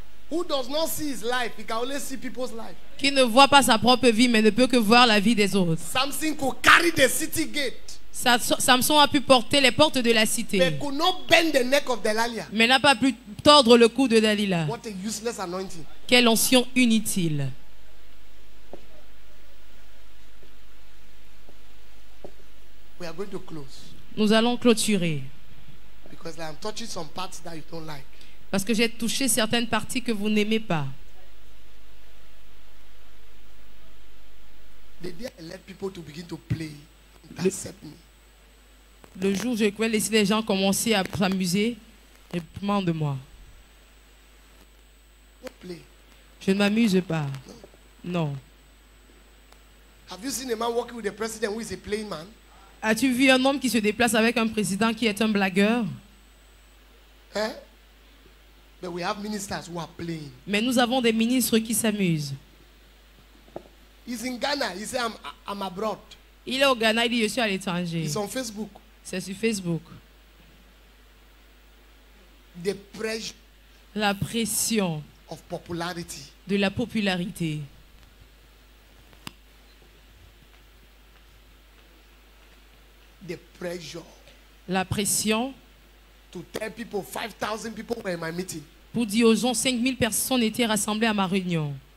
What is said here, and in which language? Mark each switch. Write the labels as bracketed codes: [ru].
[en] Who does not see his life? He can only see people's life. [fr] Qui ne voit pas sa propre vie mais ne peut que voir la vie des autres. [en] Samson could carry the city gate. [fr] Samson a pu porter les portes de la cité. [en] But could not bend the neck of Delilah. [fr] Mais n'a pas pu tordre le cou de Dalila. [en] What a useless anointing. [fr] Quelle onction inutile. [en] We are going to close. [fr] Nous allons clôturer. [en] Because I'm touching some parts that you don't like. [fr] Parce que j'ai touché certaines parties que vous n'aimez pas. [en] The day I let people to begin to play and accept me. [fr] Le jour où je vais laisser les gens commencer à s'amuser, réprimande-moi. [en] Don't play. [fr] Je ne m'amuse pas. Non. [en] Have you seen a man walking with the president who is a playing man? [fr] As-tu vu un homme qui se déplace avec un président qui est un blagueur? [en] Hein? But we have ministers who are playing. [fr] Mais nous avons des ministres qui s'amusent. [en] He's in Ghana. He said, I'm abroad. [fr] Il est au Ghana, il dit je suis à l'étranger. [en] He's on Facebook. [fr] C'est sur Facebook. [en] The pressure. [fr] La pression. [en] Of popularity. [fr] De la popularité. [en] The pressure. [fr] La pression. [en] To tell people, 5,000 people were in my meeting. [fr] Pour dire aux gens, 5,000 personnes étaient rassemblées à ma réunion.